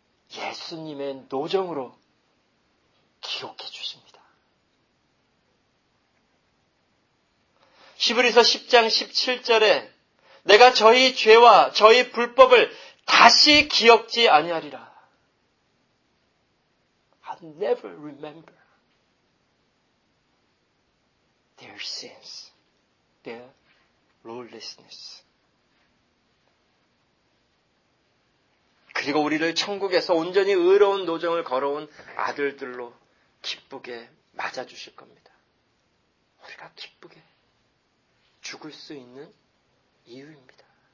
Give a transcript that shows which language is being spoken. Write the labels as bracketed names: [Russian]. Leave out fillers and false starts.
[Korean] 예수님의 노정으로 기억해 주십니다. 히브리서 10장 17절에 내가 저희 죄와 저희 불법을 다시 기억지 아니하리라. [English] I'll never remember their sins, their lawlessness. [Korean] 그리고 우리를 천국에서 온전히 의로운 노정을 걸어온 아들들로 기쁘게 맞아주실 겁니다. 우리가 기쁘게 죽을 수 있는 이유입니다.